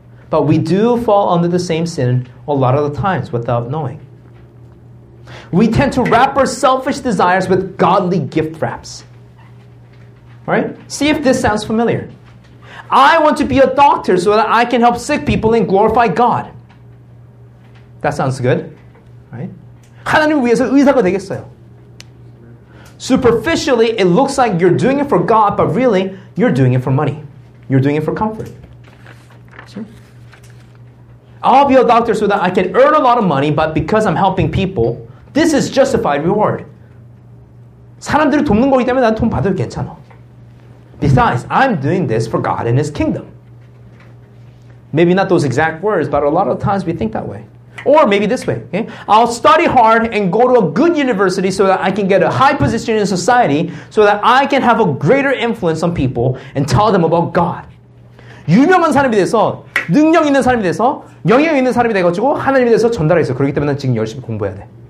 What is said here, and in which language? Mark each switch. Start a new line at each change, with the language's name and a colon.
English: But we do fall under the same sin a lot of the times without knowing. We tend to wrap our selfish desires with godly gift wraps. Right? See if this sounds familiar. I want to be a doctor so that I can help sick people and glorify God. That sounds good. Right?
Korean: 하나님을 위해서 의사가 되겠어요.
English: Superficially, it looks like you're doing it for God, but really, you're doing it for money. You're doing it for comfort. See? I'll be a doctor so that I can earn a lot of money, but because I'm helping people, this is justified reward.
Korean: 사람들이 돕는 거기 때문에 난 돈 받아도 괜찮아.
English: Besides, I'm doing this for God and His kingdom. Maybe not those exact words, but a lot of times we think that way. Or maybe this way, okay? I'll study hard and go to a good university so that I can get a high position in society so that I can have a greater influence on people and tell them about God.
Korean: 유명한 사람이 돼서, 능력 있는 사람이 돼서, 영향 있는 사람이 돼가지고 하나님에 대해서 전달해 있어. 그렇기 때문에 난 지금 열심히 공부해야 돼.